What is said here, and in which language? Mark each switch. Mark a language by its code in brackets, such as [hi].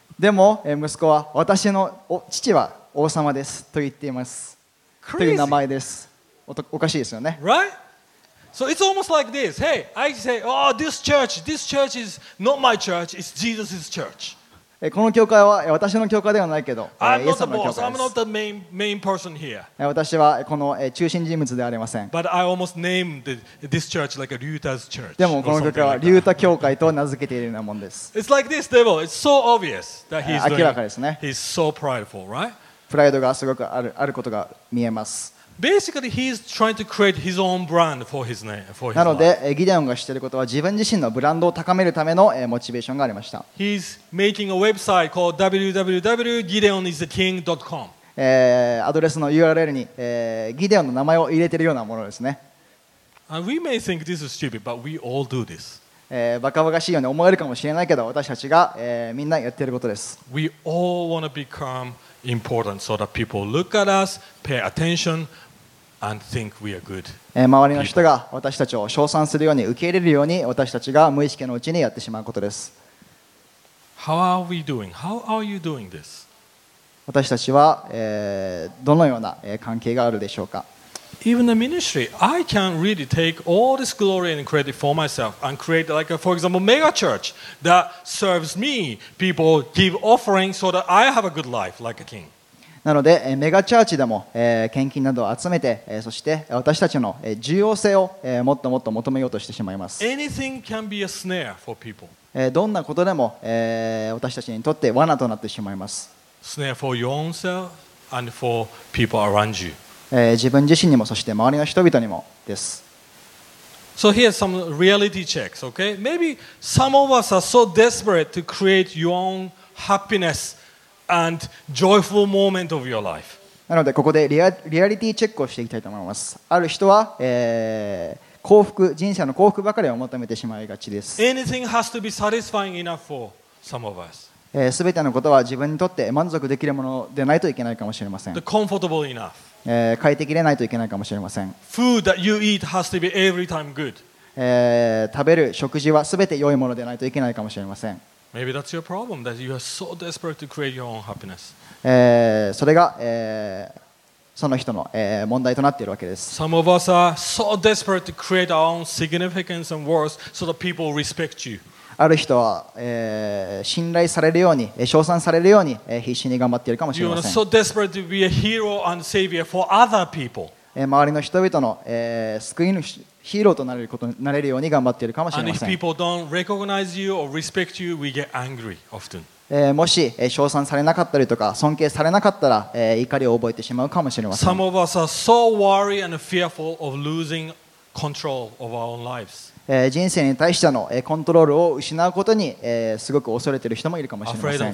[ja] でも息子は私の父は王様ですと言っています。 [en] Crazy. [ja] という名前です。おかしいですよね。 [en] Right? So it's almost like this. Hey, I say, oh, this church is not my church. It's Jesus's church. [ja] この教会は私の教会ではないけど、イエス様の教会です。 [en] I'm not the main person here. [ja] 私はこの中心人物ではありません。 [en] But I almost named this church like a Luther's church. [ja] でもこの教会はリューター教会と名付けているようなものです。 [en] It's like this, devil. It's so obvious that he's doing. [ja] 明らかですね。 [en] He's so prideful, right? [ja] プライドがすごくあることが見えます。 [en] Basically, he's trying to create his own brand for his name. For his [ja] なので、ギデオンがしていることは自分自身のブランドを高めるためのモチベーションがありました。 [en] He's making a website called www.gideonisaking.com。 [ja] アドレスの URL に、ギデオンの名前を入れているようなものですね。 [en] And we may think this is stupid, but we all do this. [ja] バカバカしいように思えるかもしれないけど、私たちが、みんなやっていることです。 [en] We all want to become important so that people look at us, pay attention. And think we are good. [ja] 周りの人が私たちを称賛するように受け入れるように私たちが無意識のうちにやってしまうことです。 [en] How are we doing? How are you doing this? [ja] 私たちは、どのような関係があるでしょうか。 [en] Even the ministry, I can really take all this glory and credit for myself and create, like, a, for example, mega church that serves me. People give offerings so that I have a good life, like a king. [ja] なのでメガチャーチでも献金などを集めてそして私たちの重要性をもっともっと求めようとしてしまいます。 [en] Anything can be a snare for people. [ja] どんなことでも私たちにとって罠となってしまいます。 [en] Snare for your own self and for people around you. [ja] 自分自身にもそして周りの人々にもです。 [en] So here's some reality checks, okay? Maybe some of us are so desperate to create your own happinessAnd joyful moment of your life. [ja] なのでここでリアリティチェックをしていきたいと思います。ある人は、幸福人生の幸福ばかりを求めてしまいがちです。 [en] Anything has to be satisfying enough for some of us. [ja] 全てのことは自分にとって満足できるものでないといけないかもしれません。 [en] The comfortable enough. [ja] 快適でないといけないかもしれません。 [en] Food that you eat has to be every time good. [ja] 食べる食事は全て良いものでないといけないかもしれません。 [en] Maybe that's your problem, that you are so desperate to create your own happiness. [ja] それが、その人の、問題となっているわけです。 [en] Some of us are so desperate to create our own significance and worth so that people respect you. [ja] ある人は、信頼されるように、称賛されるように、必死に頑張っているかもしれません。 [en] You are so desperate to be a hero and savior for other people. [ja] 周りの人々の、救い主ヒーローとなれることになれるように頑張っているかもしれません。 [en] And if people don't recognize you or respect you, we get angry often. [ja] もし称賛されなかったりとか尊敬されなかったら怒りを覚えてしまうかもしれません。 [en] Some of us are so worried and fearful of losing control of our own lives. [ja] 人生に対してのコントロールを失うことにすごく恐れている人もいるかもしれません。